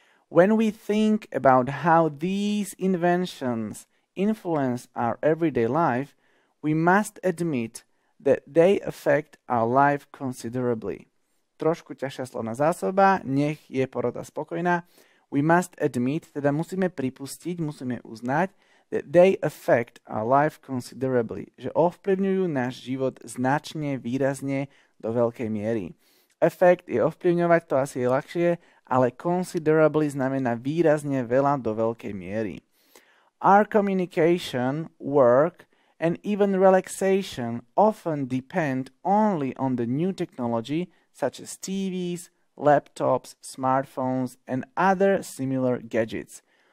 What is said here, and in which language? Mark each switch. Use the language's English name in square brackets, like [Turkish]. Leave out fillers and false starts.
[English] When we think about how these inventions influence our everyday life, we must admit that they affect our life considerably. [Slovak] Trošku ťažšia slovná zásoba, nech je porota spokojná. [English] We must admit, [Slovak] teda musíme pripustiť, musíme uznať, [English] that they affect our life considerably, [Slovak] že ovplyvňujú náš život značne, výrazne, do veľkej miery. Effect je ovplyvňovať, to asi je ľahšie, ale considerably znamená výrazne, veľa, do veľkej miery. [English] Our communication, work and even relaxation often depend only on the new technology such as TVs, laptops, smartphones and other similar gadgets.